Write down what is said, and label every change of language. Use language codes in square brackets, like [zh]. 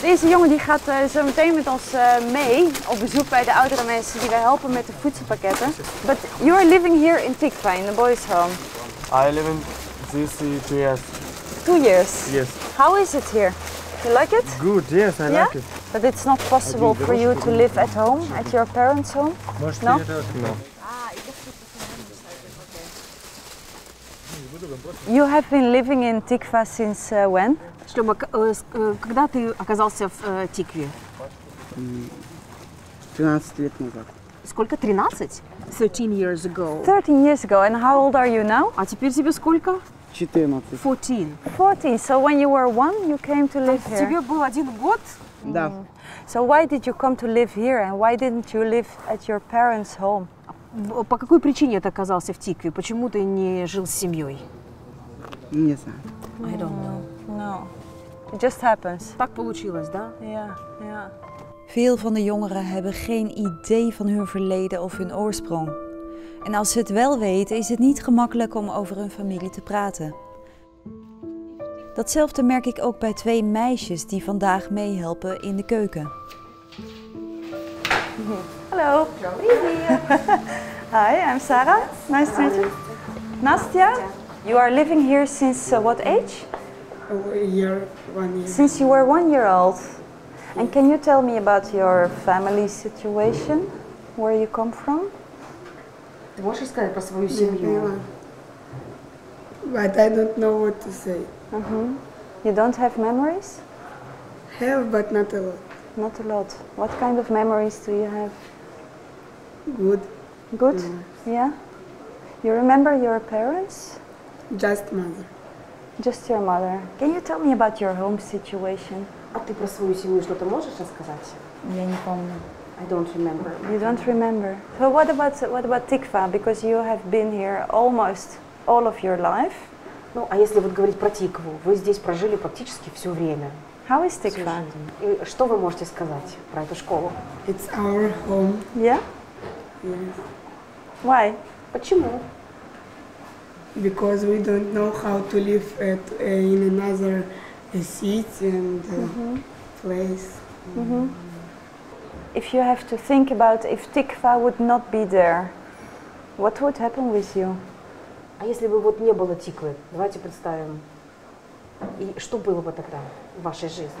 [nl] Deze jongen die gaat zo meteen met ons mee op bezoek bij de oudere mensen die wij helpen met de voedselpakketten. [en] But you are living here in Tikva, in the boys' home. I live in this 2 years. 2 years? Yes. How is it here? You like it? Good, yes, I like it. But it's not possible for you to live at home, at your parents' home? No? No. You have been living in Tikva since when? [ru] Шлёма, когда ты оказался в Тикве? 13 лет назад. Сколько? [en] 13? 13 years ago. 13 years ago. And how old are you now? [ru] А теперь тебе сколько? 14. 14. 14. [en] So when you were one, you came to live here. [ru] Тебе был один год? Да. [en] So why did you come to live here and why didn't you live at your parents' home? [ru] По какой причине ты оказался в Тикве? Почему ты не жил с семьей? Не знаю. [en] I don't know. No. It just happens. [ru] Так получилось, да? [nl] Veel van de jongeren hebben geen idee van hun verleden of hun oorsprong. En als ze het wel weten, is het niet gemakkelijk om over hun familie te praten. Datzelfde merk ik ook bij twee meisjes die vandaag meehelpen in de keuken. [en] Hello. Hi, I'm Sara. Nice to meet you. Nastya, you are living here since what age? One year. Since you were 1 year old. And can you tell me about your family situation? Where you come from? [ru] Ты можешь сказать про свою семью? [en] But I don't know what to say. You don't have memories? Have, but not a lot. Not a lot. What kind of memories do you have? Good. Good? Yeah. You remember your parents? Just mother. Just your mother. Can you tell me about your home situation? [ru] А ты про свою семью что-то можешь рассказать? Я не помню. [en] I don't remember. You don't remember. So what about Tikva? Because you have been here almost all of your life. [ru] Ну, а если вот говорить про Тикву, вы здесь прожили практически все время. [en] How is Tikva? [ru] И что вы можете сказать про эту школу? [en] It's our home. Yeah? Yes. Why? [ru] Почему? [en] Because we don't know how to live at in another city and place. If you have to think about if Tikva would not be there, what would happen with you? [ru] А если бы вот не было Тиквы, давайте представим, и что было бы тогда в вашей жизни?